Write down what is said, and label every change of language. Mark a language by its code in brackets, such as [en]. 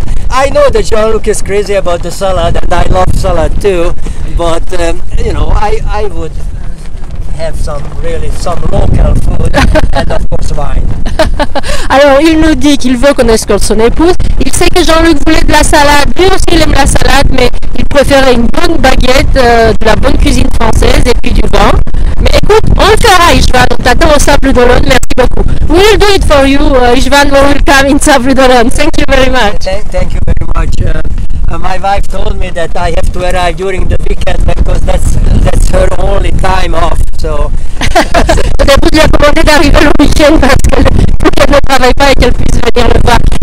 [en] I know that Jean-Luc is crazy about the salad, and I love salad too. But I would have some local food and of course wine. [fr] Alors il nous dit qu'il veut qu'on escorte son épouse. Il sait que Jean-Luc voulait de la salade. Lui aussi il aime la salade, mais il préférait une bonne baguette, de la bonne cuisine française et puis du vin. Mais écoute, on le fera, Ishvan. On t'attend au Sable d'Olonne. Merci beaucoup. [en] We will do it for you, Ishvan. We will come in Sable d'Olonne. Thank you very much. Thank you very much. My wife told me that I have to arrive during the weekend because that's her only time off. So. [fr] Elle vous a demandé d'arriver le week-end parce qu'elle ne travaille pas et qu'elle puisse venir le voir.